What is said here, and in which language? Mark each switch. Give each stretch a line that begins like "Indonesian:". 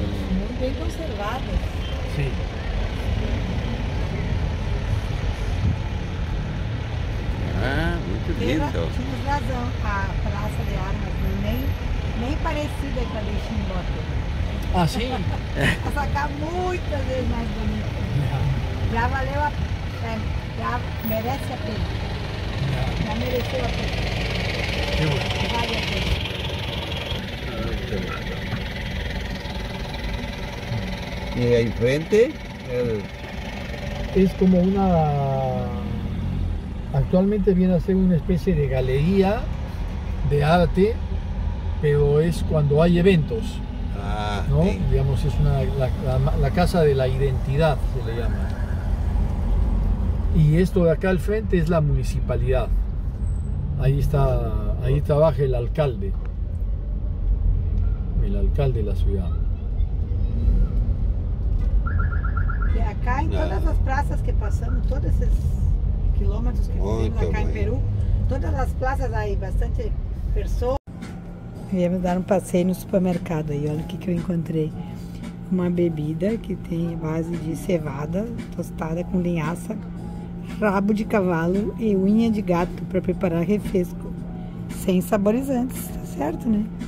Spanish: Muy bien conservadas. Sí. Ah, muy lindo. Tienes razón, a Plaza de Armas, ni parecida con la de Chimbote.
Portuguese: Ah, sim? A sacar muitas vezes mais bonito. Já valeu a pena. Já merece a pena. Já mereceu a pena. Que bom. Vale a pena. E aí em frente? É como uma...
Spanish: Actualmente viene a ser
Portuguese: uma espécie de galeria de arte,
Spanish: pero
Portuguese: é quando há eventos. Ah,
Spanish: ¿no? Sí. Digamos, es la casa de la identidad, se le llama. Y esto de acá al frente es la municipalidad. Ahí está, ahí trabaja el alcalde. El alcalde de la ciudad. Y acá en todas las plazas que pasamos, todos esos kilómetros que vivimos acá en Perú, todas las plazas hay bastante personas.
Portuguese: Viemos dar um passeio no supermercado aí, olha o que, que eu encontrei. Uma bebida que tem base de cevada tostada com linhaça, rabo de cavalo e unha de gato para preparar refresco. Sem saborizantes, tá certo, né?